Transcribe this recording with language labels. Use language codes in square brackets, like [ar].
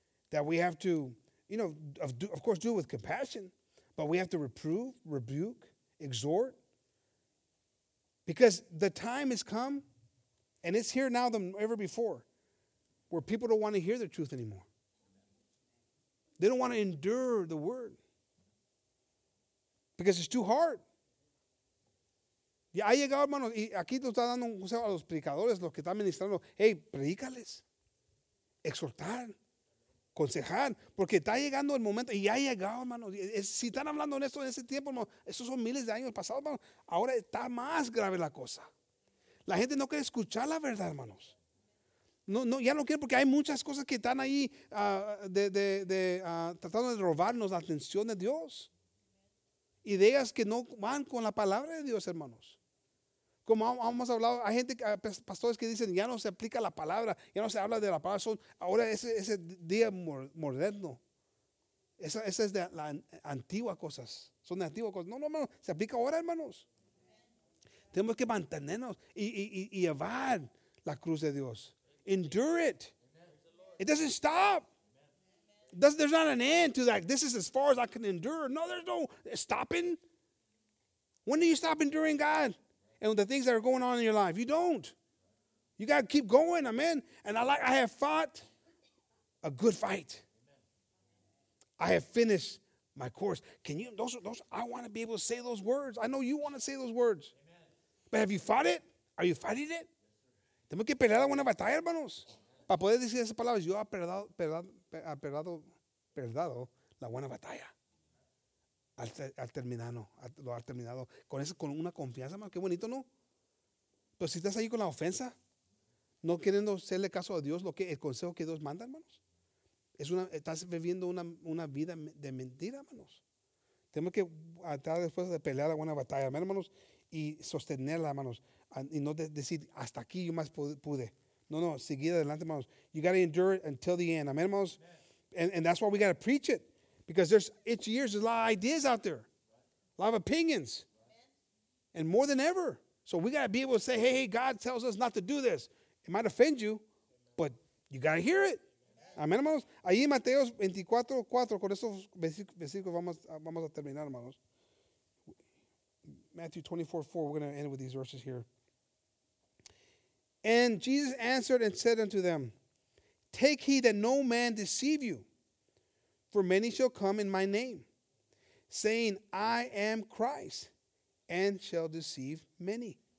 [en] That we have to, you know, of course, do it with compassion, but we have to reprove, rebuke, exhort. Because the time has come, and it's here now than ever before, where people don't want to hear the truth anymore. They don't want to endure the word because it's too hard. [es] Y ha llegado, hermano, y aquí nos está dando un consejo a los predicadores, los que están ministrando. Hey, predícales, exhortar. Consejar, porque está llegando el momento, y ha llegado, hermano. Si están hablando en esto en ese tiempo, hermano, esos son miles de años pasados, hermano. Ahora está más grave la cosa. La gente no quiere escuchar la verdad, hermanos. No, ya no quiere, porque hay muchas cosas que están ahí tratando de robarnos la atención de Dios. Ideas que no van con la palabra de Dios, hermanos. Como hemos hablado, hay gente, pastores que dicen, ya no se aplica la palabra, ya no se habla de la palabra, ahora es ese día moderno. Esa es de las antiguas cosas, son de antiguas cosas. No, hermano, se aplica ahora, hermanos. Amen. Tenemos que mantenernos y llevar la cruz de Dios. [en] Endure it. It doesn't stop. There's not an end to that. This is as far as I can endure. No, there's no stopping. When do you stop enduring God and the things that are going on in your life? You don't. You got to keep going, amen. And I have fought a good fight. I have finished my course. Can you? I want to be able to say those words. I know you want to say those words. But have you fought it? Are you fighting it? [es] Tenemos que pelear alguna batalla, hermanos. Para poder decir esas palabras, yo he perdido la buena batalla. Al terminado. Con una confianza, hermano. Qué bonito, ¿no? Pero si estás ahí con la ofensa, no queriendo hacerle caso a Dios, el consejo que Dios manda, hermanos. Estás viviendo una vida de mentira, hermanos. Tenemos que estar después de pelear la buena batalla, hermanos, y sostenerla, hermanos. Y no decir, hasta aquí yo más pude. No, seguir adelante, hermanos. [en] You got to endure it until the end. Amen, hermanos. And that's why we got to preach it. Because there's a lot of ideas out there. A lot of opinions. And more than ever. So we got to be able to say, hey, God tells us not to do this. It might offend you, but you got to hear it. [es] Amen, hermanos. Ahí Mateo 24:4, con estos versículos vamos a terminar, hermanos. [en] Matthew 24:4, we're going to end with these verses here. And Jesus answered and said unto them, take heed that no man deceive you, for many shall come in my name, saying, I am Christ, and shall deceive many.